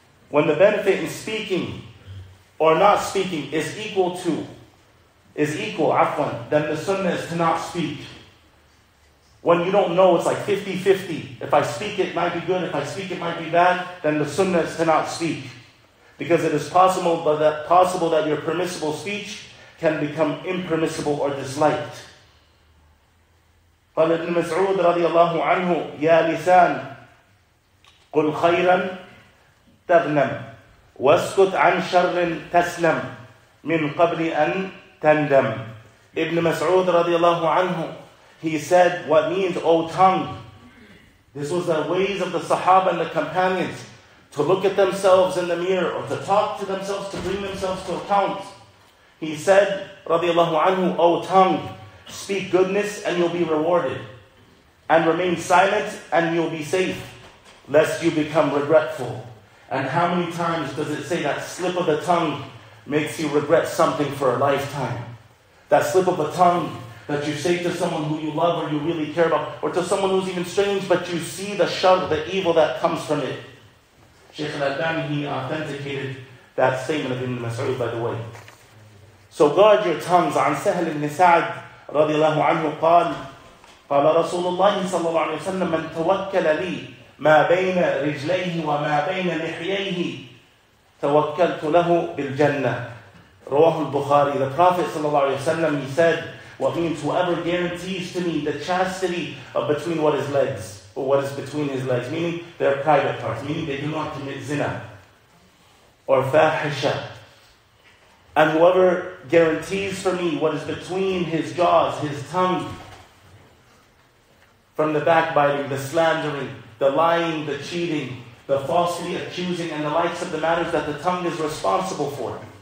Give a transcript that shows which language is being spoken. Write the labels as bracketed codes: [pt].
[en] When the benefit in speaking or not speaking is equal, then the sunnah is to not speak. When you don't know, it's like 50-50. If I speak, it might be good. If I speak, it might be bad. Then the sunnah is to not speak. Because it is possible that your permissible speech can become impermissible or disliked. [ar] قال ابن مسعود رضي الله عنه يا لسان قل خيرا تغنم واسكت عن شر تسلم من قبل أن تندم. [en] Ibn Mas'ud رضي الله عنه, he said, what means, O tongue? This was the ways of the Sahaba and the companions, to look at themselves in the mirror, or to talk to themselves, to bring themselves to account. He said, رضي الله عنه, O tongue, speak goodness and you'll be rewarded, and remain silent and you'll be safe, lest you become regretful. And how many times does it say that slip of the tongue makes you regret something for a lifetime? That slip of a tongue that you say to someone who you love or you really care about, or to someone who's even strange, but you see the shar, the evil that comes from it. Shaykh al-Albani, he authenticated that statement of Ibn Mas'ud, by the way. So guard your tongues. [ar] عن سهل بن سعد رضي الله عنه قال قال رسول الله صلى الله عليه وسلم من توكل لي ما بين رجليه وما بين لحييه توكلت له بالجنة. رواه البخاري. [en] The Prophet صلى الله عليه وسلم, he said, what means whoever guarantees to me the chastity of between what his legs, or what is between his legs, meaning their private parts, meaning they do not commit zina or fahisha. And whoever guarantees for me what is between his jaws, his tongue, from the backbiting, the slandering, the lying, the cheating, the falsely accusing, and the likes of the matters that the tongue is responsible for.